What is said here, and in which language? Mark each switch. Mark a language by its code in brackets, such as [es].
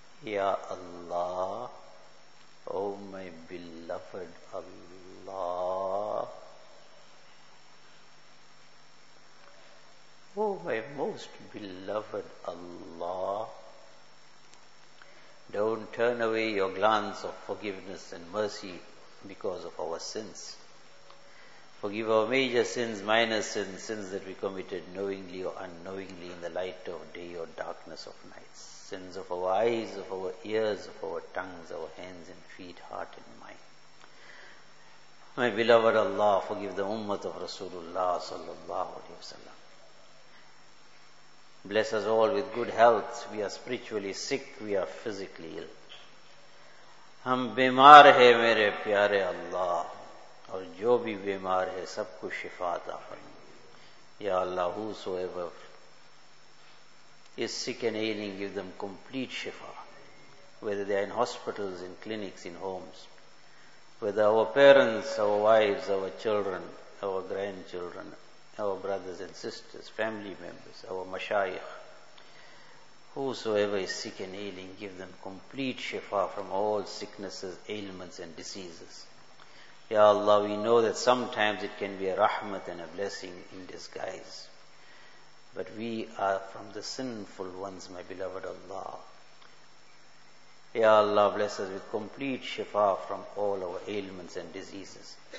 [en] یا Allah, O my beloved Allah, O my most beloved Allah, don't turn away your glance of forgiveness and mercy because of our sins. Forgive our major sins, minor sins, sins that we committed knowingly or unknowingly in the light of day or darkness of nights. Sins of our eyes, of our ears, of our tongues, our hands and feet, heart and mind. My beloved Allah, forgive the ummah of Rasulullah sallallahu alayhi wasallam. Bless us all with good health. We are spiritually sick, we are physically ill. [ur] Hum bimar hai mere pyare Allah. اور جو بھی بیمار ہے سب کو شفا عطا فرما. [en] یا Allah, whosoever is sick and ailing, give them complete shifa, whether they are in hospitals, in clinics, in homes, whether our parents, our wives, our children, our grandchildren, our brothers and sisters, family members, our mashaikh, whosoever is sick and ailing, give them complete shifa from all sicknesses, ailments and diseases. Ya Allah, we know that sometimes it can be a rahmat and a blessing in disguise. But we are from the sinful ones, my beloved Allah. Ya Allah, bless us with complete shifa from all our ailments and diseases.